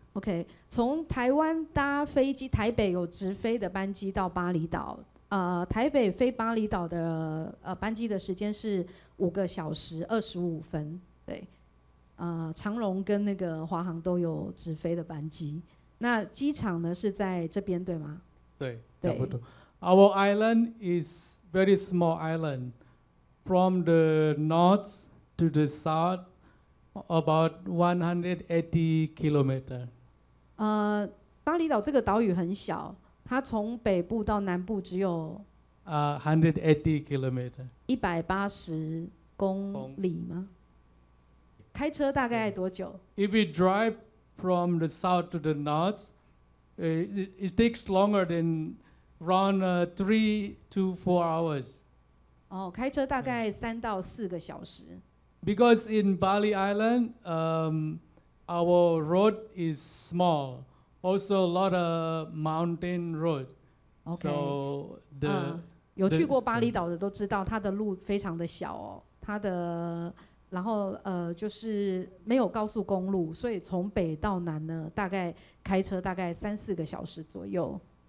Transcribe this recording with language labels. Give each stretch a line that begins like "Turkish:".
Chinese: OK， 从台湾搭飞机，台北有直飞的班机到巴厘岛。台北飞巴厘岛的班机的时间是5小时25分，对，长荣跟那个华航都有直飞的班机。那机场呢是在这边对吗？对，差不多。
English: Our island is very small island, from the north to the south, about 180 kilometers.
Chinese: 巴厘岛这个岛屿很小。它从北部到南部只有
English: 180 kilometers，
Chinese: 180公里吗？开车大概多久
English: ？If we drive from the south to the north, it takes longer than around 3 to 4 hours.
Chinese: 哦，开车大概3到4个小时。
English: Because in Bali Island, our road is small. Also, a lot of mountain road. Okay. So the
Chinese: 有去过巴厘岛的都知道，它的路非常的小哦。它的然后就是没有高速公路，所以从北到南呢，大概开车大概3-4个小时左右。